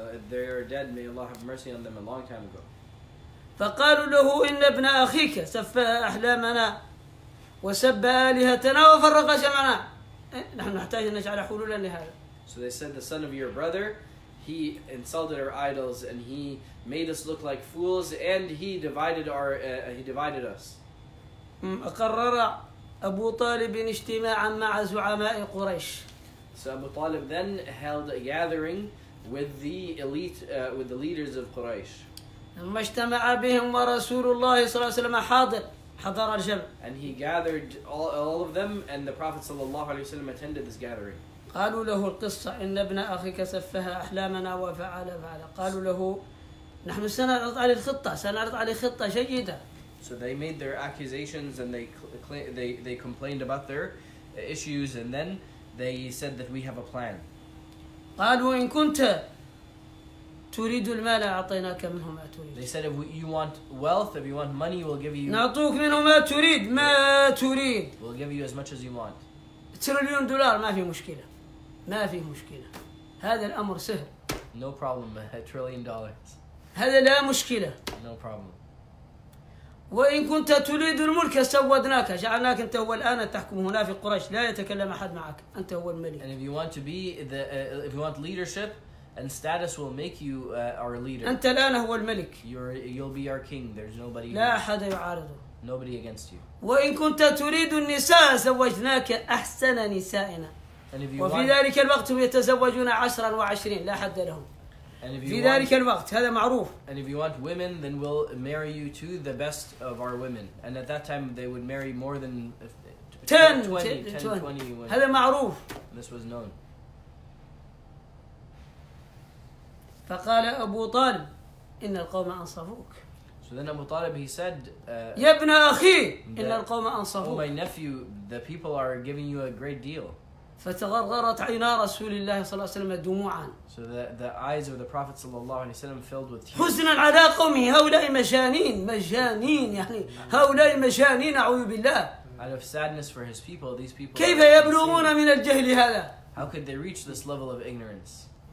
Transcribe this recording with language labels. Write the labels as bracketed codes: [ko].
[en] They are dead. May Allah have mercy on them a long time ago. [ar] فقالوا له إن ابن أخيك سفه أحلامنا وسب آلهتنا وفرق جمعنا. نحن نحتاج أن نجعل حلولا لهذا. [en] So they said the son of your brother, he insulted our idols and he made us look like fools and he divided our he divided us. [ar] أقرر أبو طالب اجتماعا مع زعماء قريش. [en] So Abu Talib then held a gathering with the elite with the leaders of Quraysh. [ar] ثم اجتمع بهم ورسول الله صلى الله عليه وسلم حاضر حضر الجمع. [en] And he gathered all of them and the Prophet [ar] صلى الله عليه وسلم [en] attended this gathering. [ar] قالوا له القصة إن ابن أخيك سفه أحلامنا وفعل فعل. قالوا له نحن سنعرض عليه الخطة سنعرض عليه خطة جيدة. [en] So they made their accusations and they complained about their issues and then they said that we have a plan. [ar] قالوا إن كنت تريد المال أعطيناك منه ما تريد. [en] They said if you want wealth, if you want money, we'll give you. [ar] نعطوك منه ما تريد ما تريد. [en] We'll give you as much as you want. [ar] تريليون دولار ما في مشكلة ما في مشكلة هذا الأمر سهل. [en] No problem, a trillion dollars. [ar] هذا لا مشكلة. [en] No problem. [ar] وإن كنت تريد الملك سودناك جعلناك أنت هو الآن تحكم هنا في قريش لا يتكلم أحد معك أنت هو الملك. [en] And if you want to be the if you want leadership and status will make you our leader. [ar] أنت الآن هو الملك. [en] You'll be our king. There's nobody. [ar] لا أحد يعارضه. [en] Nobody against you. [ar] وإن كنت تريد النساء زوجناك أحسن نسائنا. [en] And if you [ar] وفي [en] want... [ar] ذلك الوقت هم يتزوجون 10 و20 لا حد لهم. [en] And if you [ar] في [en] want, [ar] ذلك الوقت هذا معروف. [en] And if you want women, then we'll marry you to the best of our women. And at that time, they would marry more than 10, 20. [ar] هذا معروف. [en] This was known. [ar] فقال أبو طالب إن القوم أنصفوك. [en] So then Abu Talib he said, [ar] يا ابن أخي إن القوم أنصفوك. [en] Oh my nephew, the people are giving you a great deal. [ar] فتغرغرت عينا رسول الله صلى الله عليه وسلم دموعا. [en] So the eyes of the Prophet [ar] صلى الله عليه وسلم [en] filled with tears. [ar] حزنا على قومي هؤلاء مجانين مجانين يعني هؤلاء مجانين أعوذ بالله. [en] Out of sadness for his people, these people. [ar] كيف يبلغون من الجهل هذا؟ [en] How could they reach this level of ignorance?